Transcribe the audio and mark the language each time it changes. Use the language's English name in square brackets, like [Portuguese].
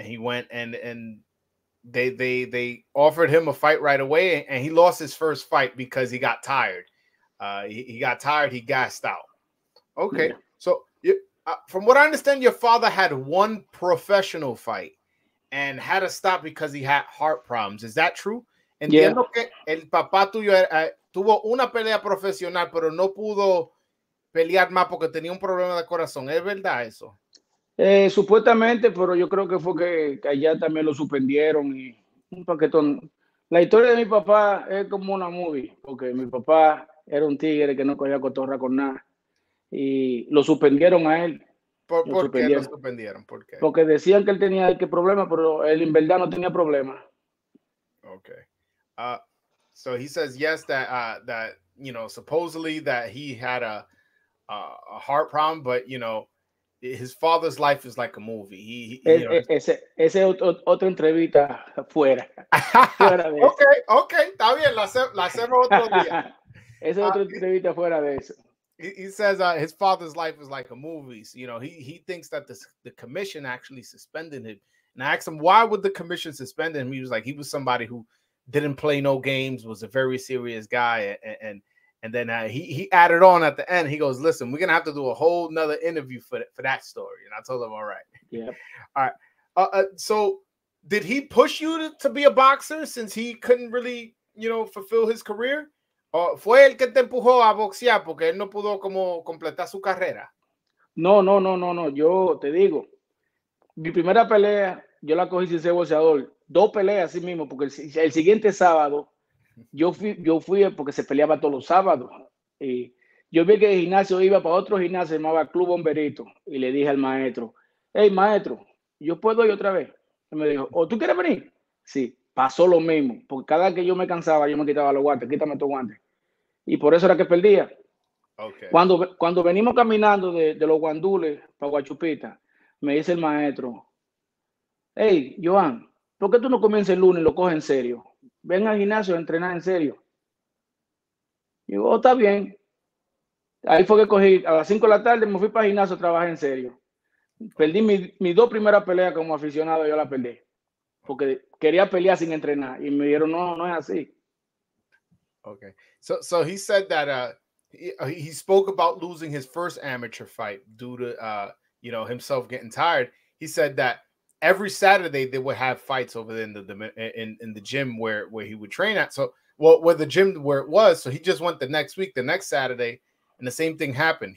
[English] He went and they offered him a fight right away, and he lost his first fight because he got tired. He gassed out. Okay, yeah. So from what I understand, your father had one professional fight and had to stop because he had heart problems. Is that true? [Spanish] Entiendo que el papá tuyo tuvo una pelea profesional, pero no pudo pelear más porque tenía un problema de corazón. ¿Es verdad eso? Supuestamente, pero yo creo que fue que allá también lo suspendieron y un paquetón. La historia de mi papá es como una movie, porque mi papá era un tigre que no cogía cotorra con nada y lo suspendieron a él. ¿Por qué lo suspendieron? ¿Por qué? Porque decían que él tenía que problema, pero él en verdad no tenía problema. [English] Okay. So he says yes that that you know supposedly that he had a heart problem, but you know his father's life is like a movie. [Spanish] Ese otra entrevista fuera. Okay, está bien, la hacemos otro día. Esa otra entrevista fuera de eso. [English] He says his father's life is like a movie. So, you know, he thinks that the commission actually suspended him. And I asked him why would the commission suspend him? He was like he was somebody who didn't play no games, was a very serious guy, and And then he added on at the end. He goes, listen, we're going to have to do a whole nother interview for that story. And I told him, all right. Yeah. All right. So did he push you to be a boxer since he couldn't really, you know, fulfill his career? [Spanish] ¿Fue el que te empujó a boxear porque él no pudo como completar su carrera? No. Yo te digo, mi primera pelea, yo la cogí sin ser boxeador. Dos peleas así mismo, porque el siguiente sábado, yo fui porque se peleaba todos los sábados. Y yo vi que el gimnasio iba para otro gimnasio, se llamaba Club Bomberito. Y le dije al maestro, hey, maestro, ¿yo puedo ir otra vez? Y me dijo, ¿tú quieres venir? Sí. Pasó lo mismo, porque cada vez que yo me cansaba, yo me quitaba los guantes, quítame tus guantes. Y por eso era que perdía. [English] Okay. [Spanish] Cuando venimos caminando de los guandules para Guachupita, me dice el maestro, hey, Joan, ¿por qué tú no comienzas el lunes y lo coges en serio? Ven al gimnasio a entrenar en serio. Y yo, está bien. Ahí fue que cogí, a las 5 de la tarde me fui para el gimnasio a trabajar en serio. Perdí mis dos primeras peleas como aficionado, yo las perdí. Porque quería pelear sin entrenar y me dijeron no es así. [English] Okay. So he said that he spoke about losing his first amateur fight due to himself getting tired. He said that every Saturday they would have fights over there in the gym where he would train at. So where the gym where it was, so he just went the next week, the next Saturday, and the same thing happened.